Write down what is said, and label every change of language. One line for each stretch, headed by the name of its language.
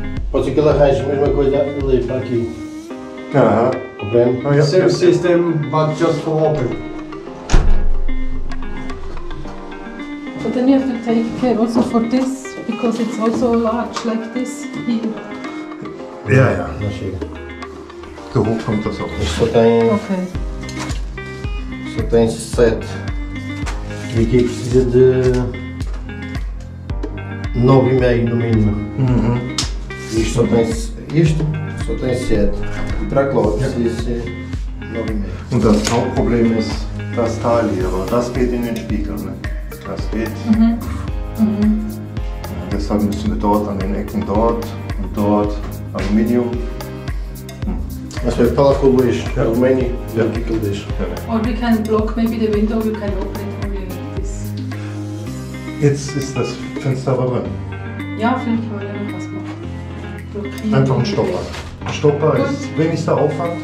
Portuguese: Pode ser que ele arranje a mesma coisa ali para aqui. Uhum. Compreendo?
English: Oh, yeah. Same system, but just for open. But then you have to take care also for this. Because it's also large like this here.
German: Ja, ja. Na schön. So hoch kommt das auch nicht. So dein. Okay. So dein Set. Wie geht es dir?
Portuguese: 9,5 no mínimo. Uhum. Isto só tem. Isto só tem 7. E para a Cláudia precisa ser 9,5.
German: Und das Hauptproblem ist das Teil hier, aber das geht in den Spiegel, ne? Das geht. Uhum. Uhum. Deshalb müssen wir dort an den Ecken dort und dort Aluminium. Also wir fahren für Luis. Aluminium. Ja, gibt es das.
English: Or we can block maybe the window, we can open it for you like this.
German: Jetzt ist das Fenster aber drin. Ja, auf jeden Fall, wenn was macht. Einfach ein Stopper. Ein Stopper ist wenigster Aufwand.